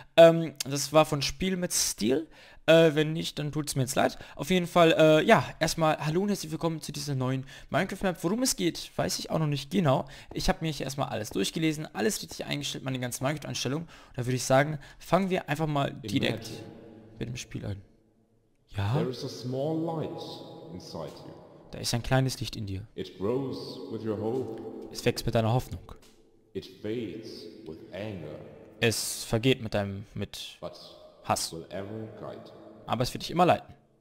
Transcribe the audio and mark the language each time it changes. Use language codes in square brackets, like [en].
[de] Das war von Spiel mit Stil. Wenn nicht, dann tut es mir jetzt leid. Auf jeden Fall, ja, erstmal hallo und herzlich willkommen zu dieser neuen Minecraft-Map. Worum es geht, weiß ich auch noch nicht genau. Ich habe mir hier erstmal alles durchgelesen, alles richtig eingestellt, meine ganzen Minecraft-Einstellungen. Da würde ich sagen, fangen wir einfach mal direkt mit dem Spiel an. Ja? [en] There is a small light inside you. [de] Da ist ein kleines Licht in dir. [en] It grows with your hope. [de] Es wächst mit deiner Hoffnung. [en] It fades with anger. [de] Es vergeht mit deinem, mit... [en] But [de] Hass. Aber es wird dich immer leiten.